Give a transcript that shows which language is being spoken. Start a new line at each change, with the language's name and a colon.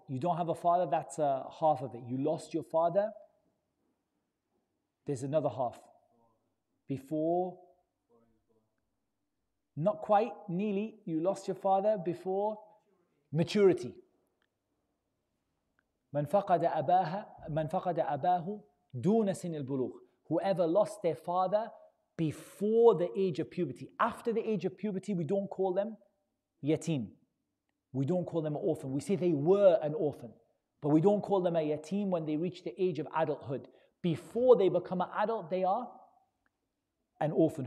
English: You don't have a father, that's half of it. You lost your father, there's another half. Before, not quite, nearly, you lost your father before maturity.
Arabic: من فقد أباه دون سن البلوغ.
English: Whoever lost their father before the age of puberty. After the age of puberty, we don't call them yatim. We don't call them an orphan. We say they were an orphan. But we don't call them a yatim when they reach the age of adulthood. Before they become an adult, they are an orphan.